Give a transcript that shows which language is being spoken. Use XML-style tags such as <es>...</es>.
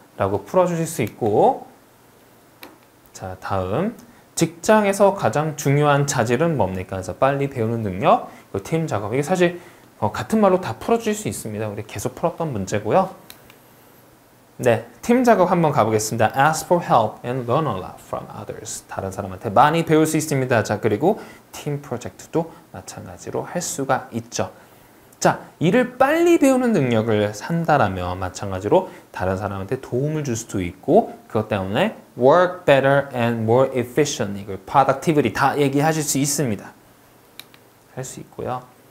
<ko>라고 풀어주실 수 있고 자, 다음 직장에서 가장 중요한 자질은 뭡니까? 그래서 빨리 배우는 능력, 팀 작업 이게 사실 같은 말로 다 풀어주실 수 있습니다. 우리 계속 풀었던 문제고요. 네, 팀 작업 한번 가보겠습니다.</ko> <en>Ask for help and learn a lot from others.</en> <ko>다른 사람한테 많이 배울 수 있습니다. 자, 그리고 팀 프로젝트도 마찬가지로 할 수가 있죠. 자, 일을 빨리 배우는 능력을 산다라면 마찬가지로 다른 사람한테 도움을 줄 수도 있고 그것 때문에</ko> <en>work better and more efficiently,</en> <ko>이걸 productivity 다 얘기하실 수 있습니다. 할 수 있고요.</ko>